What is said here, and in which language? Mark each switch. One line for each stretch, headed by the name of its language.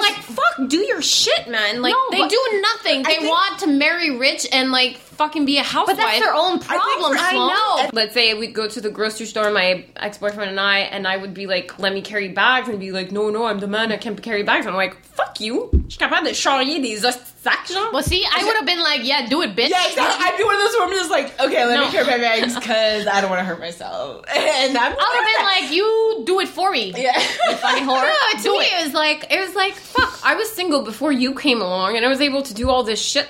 English: like, fuck, do your shit, man. Like, no, they do nothing. They want to marry rich and, like, fucking be a housewife. But that's their own problem, I know. Let's say we'd go to the grocery store, my ex-boyfriend and I would be like, let me carry bags. And be like, no, no, I'm the man. I can't carry bags. And I'm like, fuck you.
French: Je suis capable de charrier des sacs.
English: Well, see, I would have been like, yeah, do it, bitch. Yeah, exactly. I'd be one of those women that's like, okay, let me carry my bags because I don't want to hurt myself. And I'm I would have been like, you do it for me. Yeah. You fucking whore. No, to me, it was like, fuck, I was single before you came along and I was able to do all this shit.